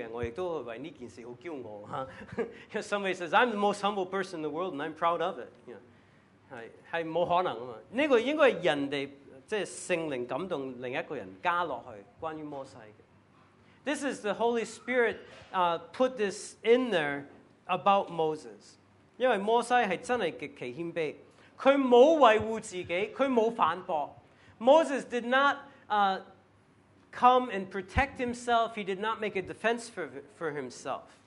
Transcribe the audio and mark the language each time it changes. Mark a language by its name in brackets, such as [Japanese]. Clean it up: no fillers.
[Chinese] 有人说我是世界上最谦卑的人,我也为这件事很骄傲, huh? [English] Somebody says, I'm the most humble person in the world and I'm proud of it. Yeah. [Chinese] 是不可能, 这个应该是人家圣灵感动另一个人加下去关于摩西的。 [English] This is the Holy Spirit put this in there about Moses. [Chinese] 因为摩西是真的极其谦卑。他没有维护自己,他没有反驳。 [English] Moses did not come and protect himself. He did not make a defense for himself.